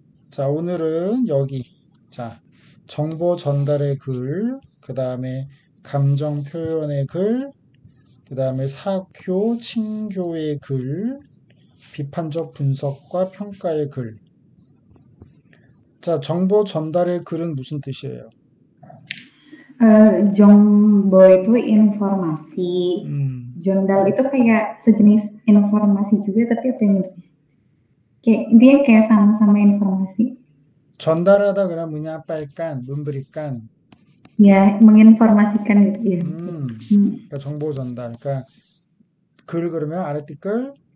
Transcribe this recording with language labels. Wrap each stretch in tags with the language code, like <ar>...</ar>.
<ko>자, 오늘은 여기 자 정보 전달의 글, 그 다음에 감정 표현의 글, 그 다음에 사교 친교의 글, 비판적 분석과 평가의 글. 자, 정보 전달의 글은 무슨 뜻이에요?</ko> <id>Jumbo itu informasi. Jurnal itu kayak sejenis informasi juga, tapi apa yang lebih? Kayak dia kayak sama-sama informasi.</id> <ko>전달하다 그냥</ko> <id>menyampaikan, memberikan. Ya, menginformasikan gitu ya.</id> <ko>Kita정보 전달. 그러니까 글 그러면 아티클.</ko>